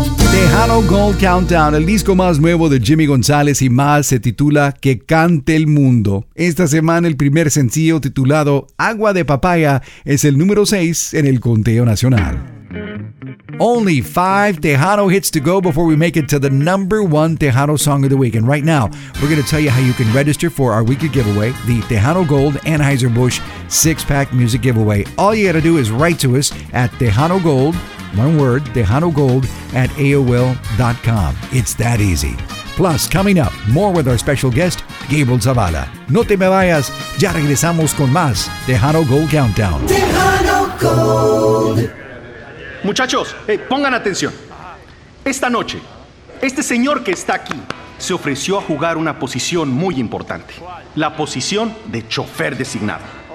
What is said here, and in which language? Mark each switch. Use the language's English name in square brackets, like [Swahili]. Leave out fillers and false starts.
[Spanish] Tejano Gold Countdown, el disco más nuevo de Jimmy González y Mas, se titula Que Cante el Mundo. Esta semana el primer sencillo titulado Agua de Papaya es el número 6 en el conteo nacional. [English] Only 5 Tejano hits to go before we make it to the number 1 Tejano song of the week. And right now, we're going to tell you how you can register for our weekly giveaway, the Tejano Gold Anheuser-Busch 6-Pack Music Giveaway. All you got to do is write to us at Tejano Gold, one word, TejanoGold@AOL.com. It's that easy. Plus, coming up, more with our special guest, Gabriel Zavala. [Spanish] No te me vayas, ya regresamos con más Tejano Gold Countdown. Tejano Gold. Muchachos, pongan atención. Esta noche, este señor que está aquí se ofreció a jugar una posición muy importante. La posición de chofer designado.